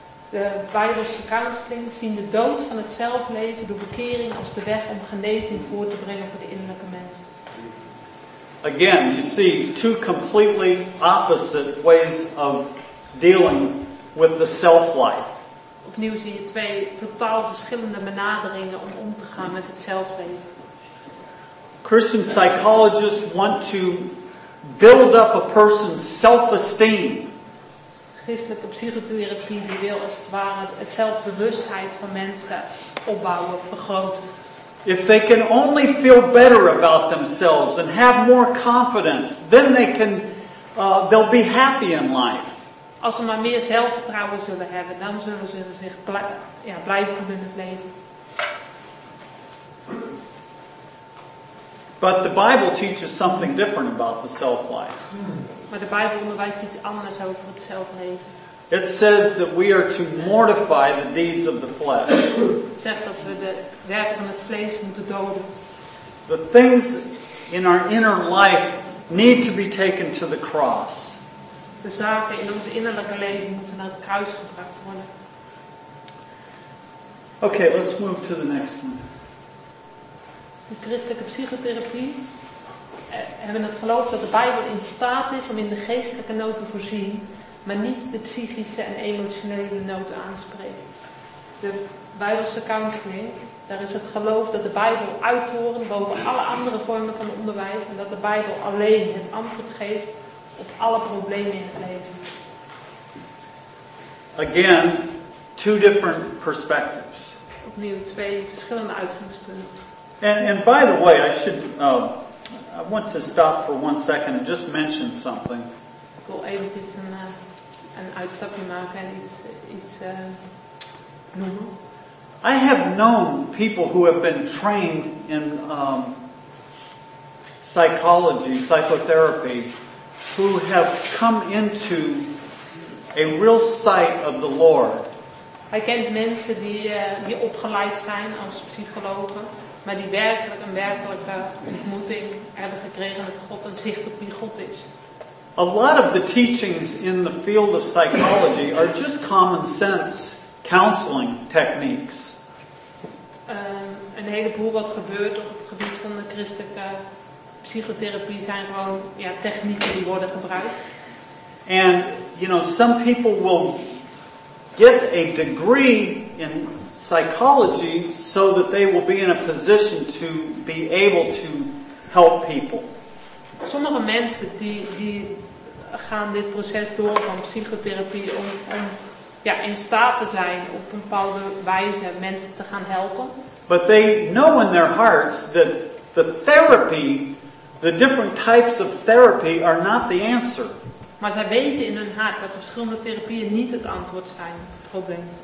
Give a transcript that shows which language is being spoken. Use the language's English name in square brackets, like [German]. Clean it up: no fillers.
[Dutch] De Bijbelse counseling zien de dood van het zelfleven door bekering als de weg om genezing voor te brengen voor de innerlijke mens. [English] Again, you see two completely opposite ways of dealing with the self-life. [Dutch] Opnieuw zie je twee totaal verschillende benaderingen om te gaan met het zelfleven. [English] Christian psychologists want to build up a person's self-esteem. [Dutch] Christelijke psychotherapie die wil als het ware het zelfbewustheid van mensen opbouwen, vergroten. [English] If they can only feel better about themselves and have more confidence, then they can they'll be happy in life. [Dutch] Als ze maar meer zelfvertrouwen zullen hebben, dan zullen ze zich blij voelen in het leven. [English] But the Bible teaches something different about the self-life. [Dutch] Maar de Bijbel onderwijst iets anders over het zelfleven. [English] It says that we are to mortify the deeds of the flesh. [Dutch] Het zegt dat we de werken van het vlees moeten doden. [English] The things in our inner life need to be taken to the cross. [Dutch] De zaken in ons innerlijke leven moeten naar het kruis gebracht worden. [English] Okay, let's move to the next one. [Dutch] De christelijke psychotherapie hebben het geloof dat de Bijbel in staat is om in de geestelijke nood te voorzien, maar niet de psychische en emotionele nood aanspreekt. De Bijbelse counseling, daar is het geloof dat de Bijbel uithoren boven alle andere vormen van onderwijs en dat de Bijbel alleen het antwoord geeft op alle problemen in het leven. [English] Again, two different perspectives. [Dutch] Opnieuw twee verschillende uitgangspunten. [English] And by the way, I should I want to stop for one second and just mention something. [Dutch] Ik wil eventjes een uitstapje maken en iets noemen. [English] I have known people who have been trained in psychology, psychotherapy, who have come into a real sight of the Lord. [Dutch] Hij kent mensen die opgeleid zijn als psychologen, maar die werkelijk een werkelijke ontmoeting hebben gekregen met God en zicht op wie God is. [English] A lot of the teachings in the field of psychology are just common sense counseling techniques. [Dutch] Een heleboel wat gebeurt op het gebied van de christelijke psychotherapie zijn gewoon technieken die worden gebruikt. [English] And you know, some people will get a degree in psychology so that they will be in a position to be able to help people. [Dutch] Sommige mensen die gaan dit proces door van psychotherapie om in staat te zijn op een bepaalde wijze mensen te gaan helpen. [English] But they know in their hearts that the therapy, the different types of therapy are not the answer. [Dutch] Maar zij weten in hun hart dat verschillende therapieën niet het antwoord zijn op het probleem.